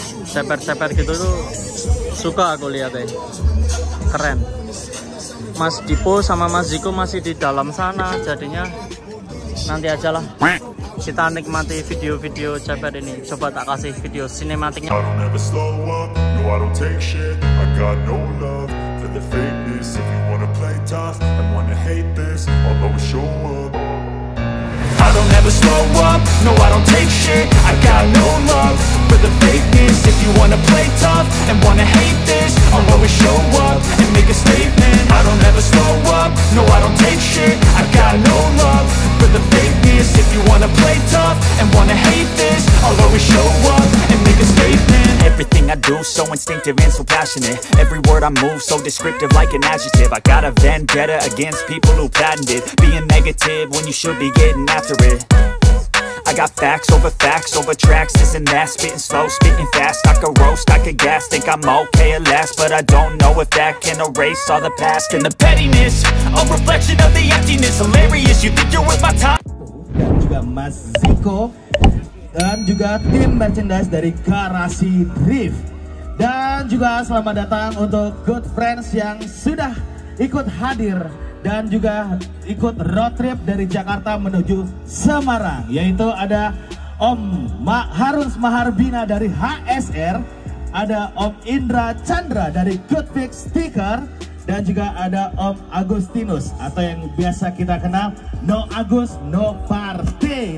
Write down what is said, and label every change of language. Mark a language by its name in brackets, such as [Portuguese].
[Indonesian] Ceper-ceper gitu tuh suka aku lihat ya. Keren. Mas Dipo sama Mas Ziko masih di dalam sana, jadinya nanti aja lah kita nikmati video-video ceper ini. Coba tak kasih video sinematiknya. [English] I don't ever slow up, no I don't take shit. I got no love for the fakeness. If you wanna play tough and wanna hate this, I'll always show up. I don't ever slow up, no I don't take shit. I got no love for the fakeness. If you wanna play tough and wanna hate this, I'll always show up and make a statement. I don't ever slow up, no I don't take shit. I got no love for the fakeness. If you wanna play tough and wanna hate this, I'll always show up and make a statement. Everything I do so instinctive and so passionate. Every word I move so descriptive like an adjective. I got a vendetta against people who patented being negative when you should be getting after it. I got facts over tracks, this and that. Spitting slow, spitting fast. I could roast, I could gas. Think I'm okay at last, but I don't know if that can erase all the past. And the pettiness, a reflection of the emptiness. Hilarious, you think you're worth my time. [Indonesian] Dan juga Mas Ziko dan juga tim merchandise dari Garasi Drift. Dan juga selamat datang untuk good friends yang sudah ikut hadir dan juga ikut road trip dari Jakarta menuju Semarang, yaitu ada Om Harus Maharbina dari HSR, ada Om Indra Chandra dari Goodfix Sticker, dan juga ada Om Agustinus atau yang biasa kita kenal No Agus No Party.